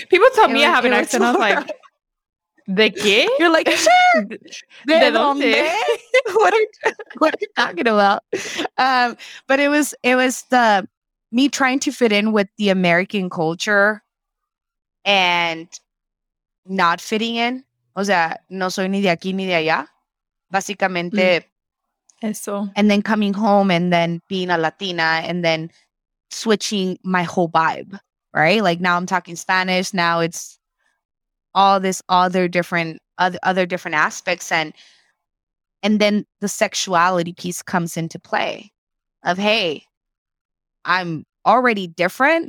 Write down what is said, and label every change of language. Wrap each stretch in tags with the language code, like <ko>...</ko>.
<en>people tell me I have an accent. I was like,</en> <es>¿de qué?</es> <en>You're like, sure.</en> <es>¿De dónde?</es> <en>What are you talking about? But it was the me trying to fit in with the American culture and not fitting in.</en> <es>O sea, no soy ni de aquí ni de allá. Básicamente. Mm. Eso.</es> <en>And then coming home and then being a Latina and then switching my whole vibe, right? Like, now I'm talking Spanish. Now it's all this other different aspects. And then the sexuality piece comes into play of, hey, I'm already different.</en>